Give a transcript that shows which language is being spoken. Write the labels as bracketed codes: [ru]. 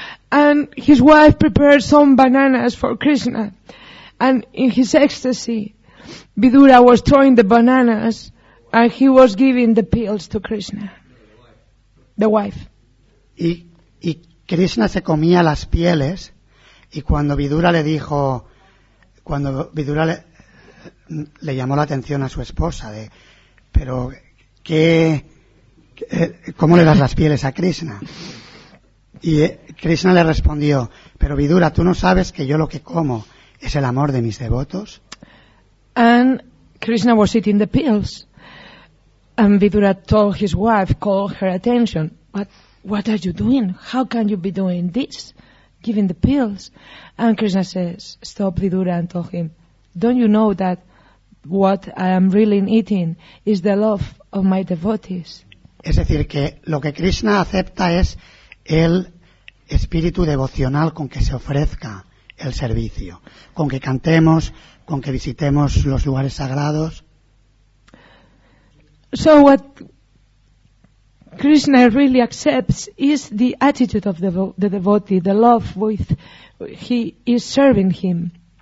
[en] And his wife prepared some bananas for Krishna. And in his ecstasy, Vidura was throwing the bananas and he was giving the pills to Krishna, the wife. [es] Y Krishna se comía las pieles y cuando Vidura le dijo, cuando Vidura le llamó la atención a su esposa de, pero qué, ¿cómo le das las pieles a Krishna? Y Krishna le respondió, pero Vidura, tú no sabes que yo lo que como es el amor de mis devotos. [en] And Krishna was eating the pills. And Vidura told his wife, called her attention, but what are you doing? How can you be doing this, giving the pills? And Krishna says, stop Vidura and told him, don't you know that what I am really eating is the love of my devotees? [es] Es decir, que lo que Krishna acepta es el espíritu devocional con que se ofrezca el servicio, con que cantemos, con que visitemos los lugares sagrados. [en] So what Krishna really accepts is the attitude of the devotee, the love with he is serving him.